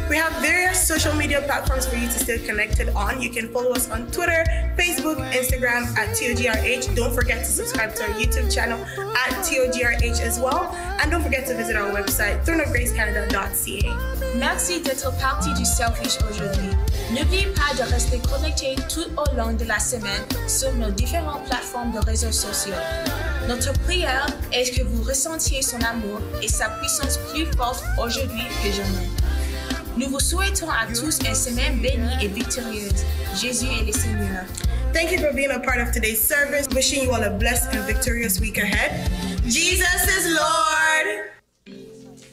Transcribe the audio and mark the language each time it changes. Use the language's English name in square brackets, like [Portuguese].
[English] We have various social media platforms for you to stay connected on. You can follow us on Twitter, Facebook, Instagram at TOGRH. Don't forget to subscribe to our YouTube channel at TOGRH as well. And don't forget to visit our website, throneofgracecanada.ca. [French] Merci d'être parti du service aujourd'hui. N'oubliez pas de rester connecté tout au long de la semaine sur nos différentes plateformes de réseaux sociaux. Notre prière est que vous ressentiez son amour et sa puissance plus forte aujourd'hui que jamais. Nous vous souhaitons à tous une semaine bénie et victorieuse. Jésus est le Seigneur. [English] Thank you for being a part of today's service. Wishing you all a blessed and victorious week ahead. Jesus is Lord!